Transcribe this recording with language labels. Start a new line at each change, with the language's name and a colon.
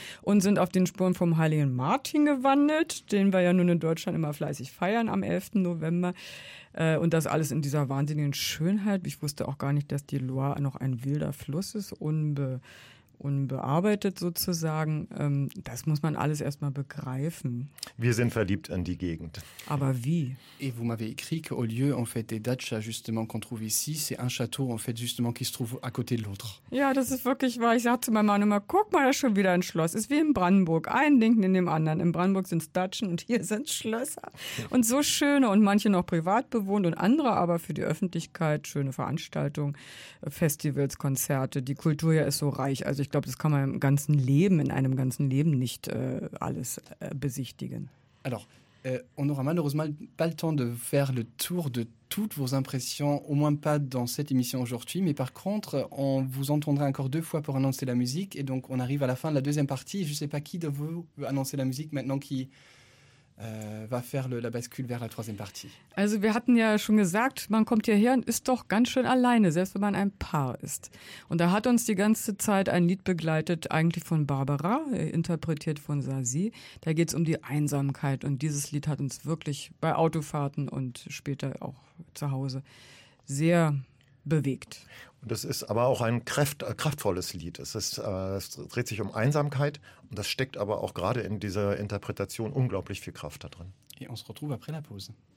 German: Und sind auf den Spuren vom Heiligen Martin gewandelt, den wir ja nun in Deutschland immer fleißig feiern am 11. November. Und das alles in dieser wahnsinnigen Schönheit. Ich wusste auch gar nicht, dass die Loire noch ein wilder Fluss ist, unbearbeitet sozusagen. Das muss man alles erstmal begreifen. Wir sind verliebt in die Gegend. Aber wie?
French: Et vous m'avez écrit qu'au lieu en fait des dachas justement qu'on trouve ici, c'est un château en fait justement qui se trouve à côté de l'autre.
German: Ja, das ist wirklich wahr. Ich sagte zu meinem Mann immer, guck mal, da ist schon wieder ein Schloss. Ist wie in Brandenburg. Ein Ding in dem anderen. In Brandenburg sind es Datschen und hier sind es Schlösser. Und so schöne und manche noch privat bewohnt und andere aber für die Öffentlichkeit. Schöne Veranstaltungen, Festivals, Konzerte. Die Kultur hier ist so reich. Also ich glaube, das kann man im ganzen Leben, in einem ganzen Leben nicht alles besichtigen.
French: Alors, on n'aura malheureusement pas le temps de faire le tour de toutes vos impressions, au moins pas dans cette émission aujourd'hui, mais par contre, on vous entendra encore deux fois pour annoncer la musique, et donc on arrive à la fin de la deuxième partie. Je ne sais pas qui de vous veut annoncer la musique maintenant qui va faire la bascule vers la troisième partie.
German: Also wir hatten ja schon gesagt, man kommt hierher und ist doch ganz schön alleine, selbst wenn man ein Paar ist. Und da hat uns die ganze Zeit ein Lied begleitet, eigentlich von Barbara, interpretiert von Sazi. Da geht es um die Einsamkeit und dieses Lied hat uns wirklich bei Autofahrten und später auch zu Hause sehr bewegt. Und das ist aber auch ein kraftvolles Lied. Es dreht sich um Einsamkeit und das steckt aber auch gerade in dieser Interpretation unglaublich viel Kraft da drin.
French: Et on se retrouve après la pause.